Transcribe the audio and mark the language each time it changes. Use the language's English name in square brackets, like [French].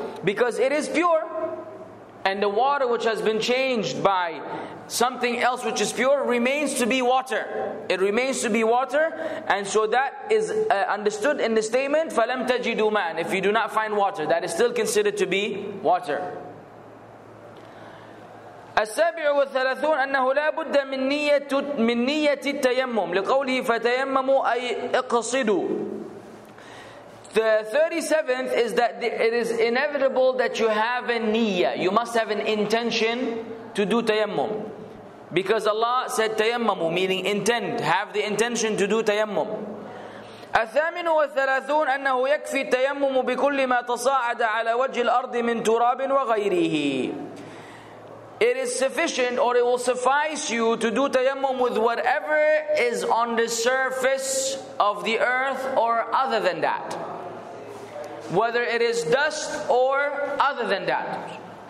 [English] Because it is pure. And the water which has been changed by something else which is pure remains to be water. It remains to be water. And so that is understood in the statement, [Arabic] فَلَمْ تَجِدُوا مَاءً. [English] If you do not find water, that is still considered to be water. [Arabic] السابع والثلاثون أنه لا بد من نية التيمم لقوله فتيمموا أي اقصدوا. [English] The 37th is that it is inevitable that you have a niyyah. You must have an intention to do tayammum. Because Allah said tayammamu, meaning intend, have the intention to do tayammum. [Arabic] الثامن والثلاثون أنه يكفي التيمم بكل ما تصاعد على وجه الأرض من تراب وغيره. [English] It is sufficient, or it will suffice you to do tayammum with whatever is on the surface of the earth or other than that. Whether it is dust or other than that.